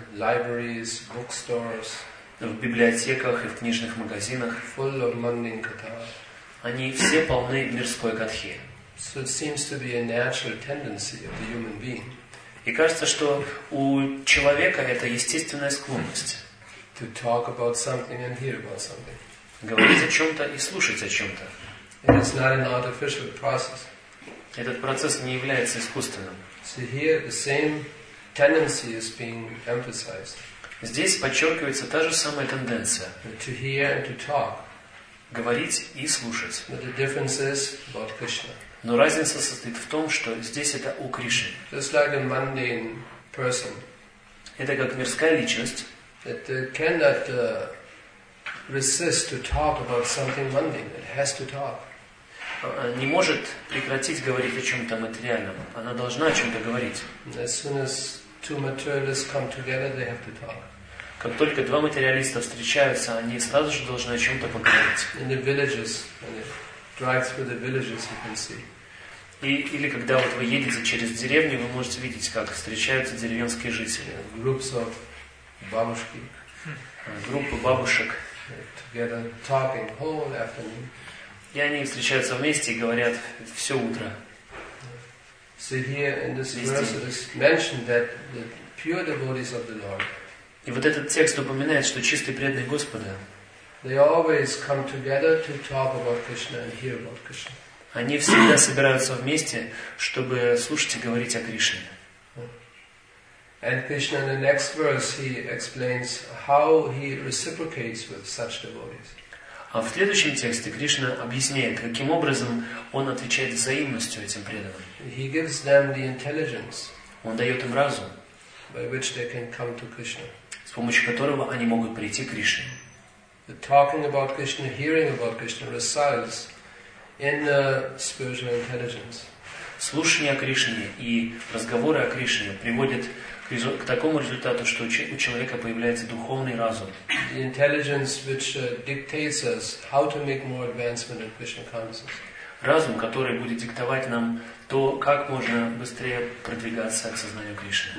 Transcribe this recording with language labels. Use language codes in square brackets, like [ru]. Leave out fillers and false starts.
[en] Libraries, bookstores. [ru] В библиотеках и в книжных магазинах. [en] Full of mundane katha. [ru] Они все полны мирской катхи. [en] So it seems to be a natural tendency of the human being. [ru] И кажется, что у человека это естественная склонность. [en] To talk about something and hear about something. [ru] Говорить о чем-то и слушать о чем-то. [en] And it's not an artificial process. [ru] Этот процесс не является искусственным. [en] So here the same tendency is being emphasized. [ru] Здесь подчеркивается та же самая тенденция. [en] To hear and to talk. [ru] Говорить и слушать. [en] But the difference is about Krishna. [ru] Но разница состоит в том, что здесь это у Кришны. [en] Just like a mundane person. [ru] Это как мирская личность. [en] It cannot resist to talk about something mundane. It has to talk. [ru] Не может прекратить говорить о чем-то материальном. Она должна о чем-то говорить. [en] As soon as two materialists come together, they have to talk. [ru] Как только два материалиста встречаются, они сразу же должны о чем-то поговорить. [en] In the villages, when they drive through the villages, you can see. [ru] Или когда вот вы едете через деревню, вы можете видеть, как встречаются деревенские жители. [en] Groups of бабушки. [ru] Группы бабушек. [en] Together talking whole afternoon. [ru] И они встречаются вместе и говорят все утро. [en] So here in this verse it is mentioned that the pure devotees of the Lord. [ru] И вот этот текст упоминает, что чистые преданные Господа. [en] They always come together to talk about Krishna and hear about Krishna. [ru] Они всегда собираются вместе, чтобы слушать и говорить о Кришне. [en] And Krishna in the next verse he explains how he reciprocates with such devotees. [ru] А в следующем тексте Кришна объясняет, каким образом он отвечает взаимностью этим преданным. [en] He gives them the intelligence. [ru] Он дает им разум. [en] By which they can come to Krishna. [ru] С помощью которого они могут прийти к Кришне. [en] The talking about Krishna, hearing about Krishna results in the spiritual intelligence. [ru] Слушание о Кришне и разговоры о Кришне приводят к такому результату, что у человека появляется духовный разум. [en] The intelligence which dictates us how to make more advancement in Krishna consciousness. [ru] Разум, который будет диктовать нам то, как можно быстрее продвигаться к сознанию Кришны.